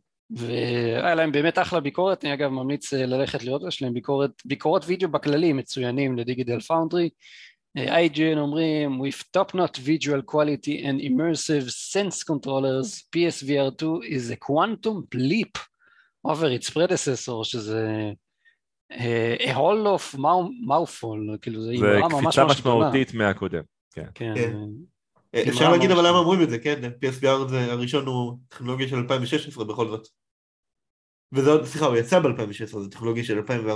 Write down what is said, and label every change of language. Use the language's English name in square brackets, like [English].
[Hebrew] והיה להם באמת אחלה ביקורת, אני אגב ממליץ ללכת לראות, יש להם ביקורות וידאו בכללים מצוינים לדיגיטל פאונדרי. [English] IGN [Hebrew] אומרים, [English] With top-notch visual quality and immersive sense controllers, PSVR 2 is a quantum leap over its predecessor, [Hebrew] שזה [English] a whole of mouthful, [Hebrew] כאילו זה קפיצה ממש משמעותית גדולה. מהקודם. כן. אפשר להגיד אבל למה אומרים את זה, כן, PSVR זה הראשון הוא טכנולוגיה של 2016 בכל זאת. וזה עוד, סליחה, הוא יצא ב-2016, זה טכנולוגיה של 2014-2015.